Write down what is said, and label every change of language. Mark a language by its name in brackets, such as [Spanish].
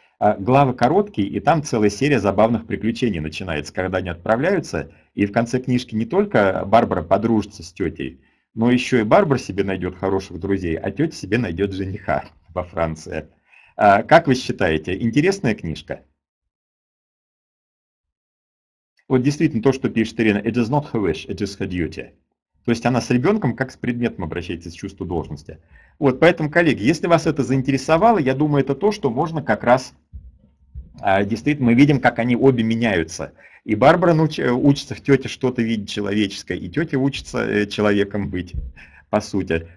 [Russian] Главы короткие, и там целая серия забавных приключений начинается, когда они отправляются, и в конце книжки не только Барбара подружится с тетей, но еще и Барбара себе найдет хороших друзей, а тетя себе найдет жениха во Франции. Как вы считаете, интересная книжка? Вот действительно, то, что пишет Ирина, [English] it is not her wish, it is her duty. [Russian] То есть она с ребенком как с предметом обращается, с чувством должности. Вот поэтому, коллеги, если вас это заинтересовало, я думаю, это то, что можно как раз Действительно, мы видим, как они обе меняются. И Барбара учится в тете что-то видеть человеческое, и тетя учится человеком быть, по сути.